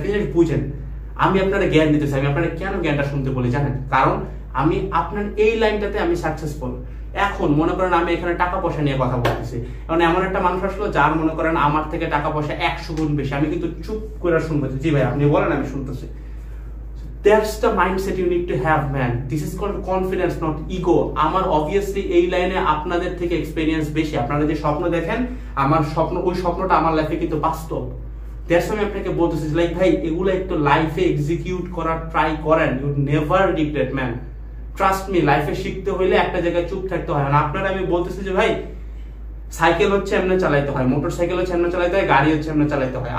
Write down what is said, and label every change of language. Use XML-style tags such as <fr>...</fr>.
<bn>কিন্তু বুঝেন, আমি আপনারা জ্ঞান দিতে চাই, আমি আপনারা কেন জ্ঞানটা শুনতে বলি জানেন? কারণ আমি আপনার এই লাইনটাতে আমি সাকসেসফুল। এখন মনে করেন আমি এখানে টাকা পয়সা নিয়ে কথা বলতেছি, এখন এমন একটা মানুষ আসলো যার মনে করেন আমার থেকে টাকা পয়সা 100 গুণ বেশি, আমি কিন্তু চুপ করে শুনতেছি, জি ভাই আপনি বলেন আমি শুনতেছি।</bn> <en>That's the mindset you need to have, man. This is called confidence, not ego.</en> <bn>আমার obviously এই লাইনে আপনাদের থেকে এক্সপিরিয়েন্স বেশি, আপনারা যে স্বপ্ন দেখেন আমার স্বপ্ন, ওই স্বপ্নটা আমার লাইফে কিন্তু বাস্তব। দ্যাটস আমি আপনাকে বলতেছি লাইক ভাই, এগুলো একটু লাইফে এক্সিকিউট করার ট্রাই করেন,</bn> <en>You never regret man, trust me.</en> <bn>লাইফে শিখতে হলে একটা জায়গায় চুপ থাকতে হয় না। আপনারা আমি বলতেছি যে ভাই সাইকেল হচ্ছে এমনি চালাইতে হয়, মোটর সাইকেল হচ্ছে এমনি চালাইতে হয়, গাড়ি হচ্ছে এমনি চালাইতে হয়।</bn>